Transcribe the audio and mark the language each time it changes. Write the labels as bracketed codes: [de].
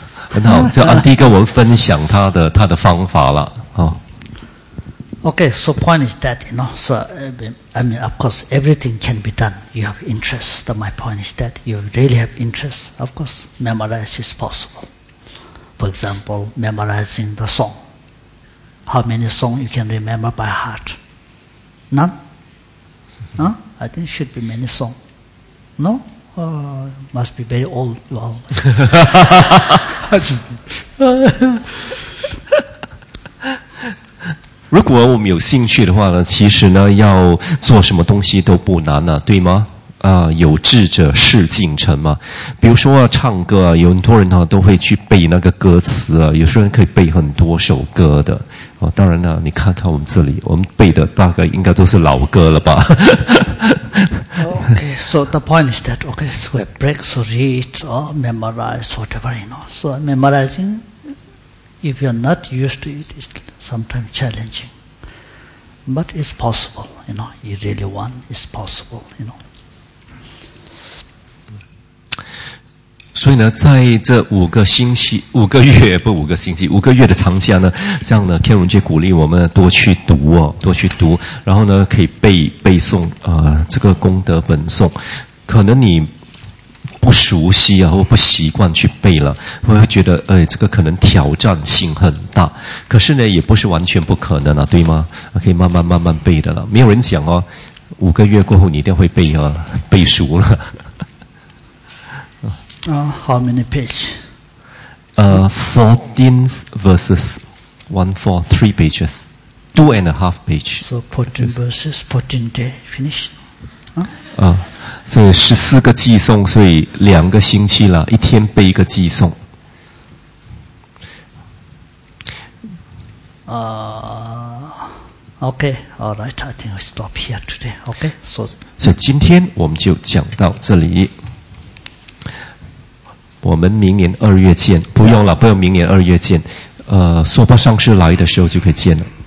[zh] 很好，就安迪跟我们分享他的方法了，哦。 [en] Okay, so point is that, you know, so I mean, of course, everything can be done. You have interest. But my point is that you really have interest. Of course, memorize is possible. For example, memorizing the song. How many songs you can remember by heart? None. I think it should be many songs. No. Must be very old. Well, if we have interest, actually, to do anything is not difficult, right? [zh] 有志者事竟成嘛。比如说啊，唱歌啊，有很多人啊都会去背那个歌词啊，有些人可以背很多首歌的。哦，当然了，你看看我们这里，我们背的大概应该都是老歌了吧。 [en] Okay, so the point is that, okay, so we break, so read, or memorize, whatever, you know. So memorizing, if you're not used to it, it's sometimes challenging. But it's possible, you know, you really want, it's possible, you know. [zh] 所以呢，在这五个星期、五个月不五个星期、五个月的长假呢，这样呢 ，Ken 文杰鼓励我们多去读哦，多去读，然后呢，可以背诵这个功德本诵。可能你不熟悉啊，或不习惯去背了，会觉得哎，这个可能挑战性很大。可是呢，也不是完全不可能啊，对吗？可以慢慢背的了。没有人讲哦，五个月过后你一定会背啊，背熟了。 [en] How many pages? 14 verses, 1-4, 3 pages, 2.5 pages. So 14 verses, 14 days, finish. 所以14个偈颂，所以两个星期了，一天背一个偈颂。 Okay, all right, I think I'll stop here today, okay? [zh] So 今天我们就讲到这里。我们明年二月见，不用了，不用明年二月见，娑婆上师来的时候就可以见了。